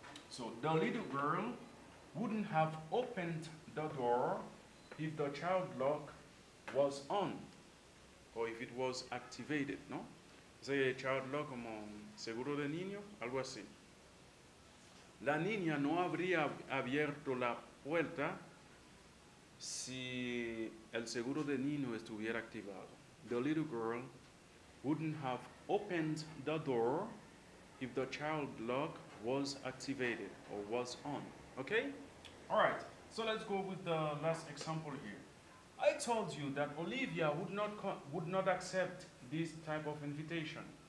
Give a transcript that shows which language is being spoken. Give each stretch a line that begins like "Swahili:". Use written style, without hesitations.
English: So, the little girl wouldn't have opened the door if the child lock was on. Or if it was activated, ¿no?
Spanish: Ese child lock como seguro de niño, algo así. La niña no habría abierto la puerta si el seguro de niño estuviera activado.
English: The little girl wouldn't have opened the door if the child lock was activated or was on. Okay? All right. So let's go with the last example here. I told you that Olivia would not accept this type of invitation.